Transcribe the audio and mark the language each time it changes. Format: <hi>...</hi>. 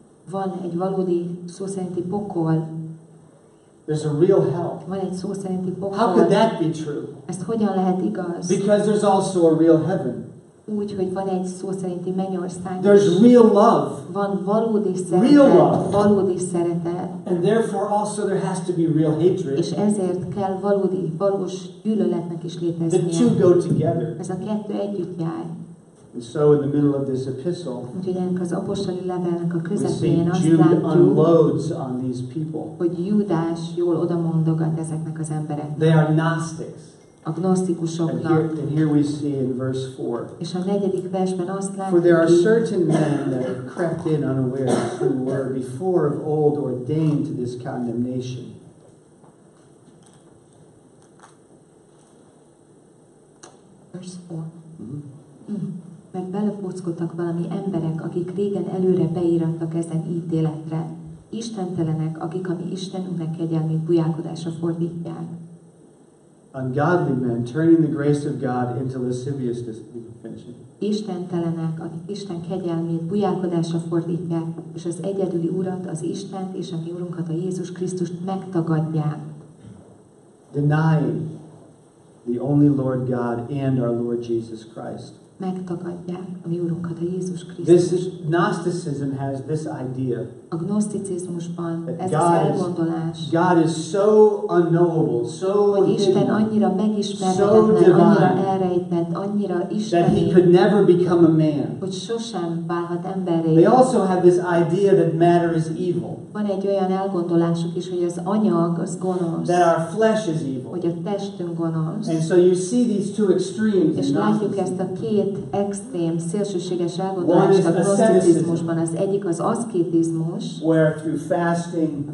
<hu>Van egy valódi szó szerinti pokol.</hu> <en>There's a real hell.</en> <hu>Van egy szó szerinti pokol.</hu> <en>How could that be true?</en> <hu>Ezt hogyan lehet igaz?</hu> <en>Because there's also a real heaven.</en> <hu>Úgy, hogy van egy szó szerinti mennyország.</hu> <en>There's real love.</en> <hu>Van valódi szeretet.</hu> <en>Real love.</en> <hu>Valódi szeretet.</hu> <en>And therefore also there has to be real hatred.</en> <hu>És ezért kell valódi, valós gyűlöletnek is léteznie.</hu> <en>The two go together.</en> <hu>Ez a kettő együtt jár.</hu> <en>And so in the middle of this epistle,</en> <hu>úgyhogy ennek az apostoli levelnek a közepén azt látjuk,</hu> <en>Jude unloads on these people.</en> <hu>Hogy Júdás jól oda mondogat ezeknek az embereknek.</hu> <en>They are Gnostics.</en> <hu>A gnosztikusoknak.</hu> <en>And here we see in verse 4.</en> <hu>És a negyedik versben azt látjuk.</hu> <en>For there are certain men that have crept in unaware who were before of old ordained to this condemnation. Verse 4.</en> <hu>Mert belepockoltak valami emberek, akik régen előre beírattak ezen ítéletre. istentelenek, akik a mi Istenünknek kegyelmét bujálkodásra fordítják.</hu> <en>Ungodly men turning the grace of God into lasciviousness.</en> <hu>Istentelenek, akik Isten kegyelmét bujálkodásra fordítják, és az egyedüli Urat, az Istent és a mi Urunkat, a Jézus Krisztust megtagadják.</hu> <en>Denying the only Lord God and our Lord Jesus Christ.</en> <hu>Megtagadják a mi Urunkat, a Jézus Krisztust.</hu> <en>This is, Gnosticism has this idea.</en> <hu>A gnoszticizmusban ez az elgondolás.</hu> <en>God is so unknowable, so</en> <hu>hogy Isten annyira megismerhetetlen,</hu> <en>so</en> <hu>annyira elrejtett, annyira Isten.</hu> <en>That he could never become a man.</en> <hu>Hogy sosem válhat emberré.</hu> <en>They also have this idea that matter is evil.</en> <hu>Van egy olyan elgondolásuk is, hogy az anyag az gonosz.</hu> <en>That our flesh is evil.</en> <hu>Hogy a testünk gonosz.</hu> <en>And so you see these two extremes.</en> <hu>És látjuk ezt a két extrém szélsőséges elgondolást a gnoszticizmusban. Az egyik az aszkétizmus.</hu> <en>Where through fasting,</en>